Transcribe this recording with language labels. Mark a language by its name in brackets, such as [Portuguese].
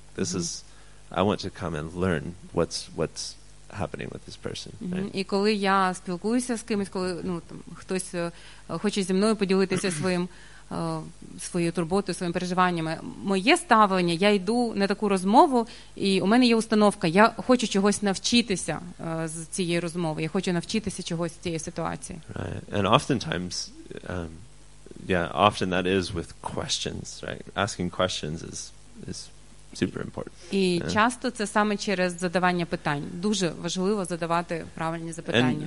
[English] This is I want to come and learn what's happening with this person. Right? [Ukrainian] І коли я спілкуюся з кимось, коли, хтось хоче зі мною поділитися своєю турботою, своїми переживаннями, моє ставлення, я йду на таку розмову, і у мене є установка, я хочу чогось навчитися з цієї розмови, я хочу навчитися чогось з цієї ситуації. [English] Right. And oftentimes, often that is with questions, right? Asking questions is super important. [Ukrainian] І часто це саме через задавання питань. Дуже важливо задавати правильні запитання.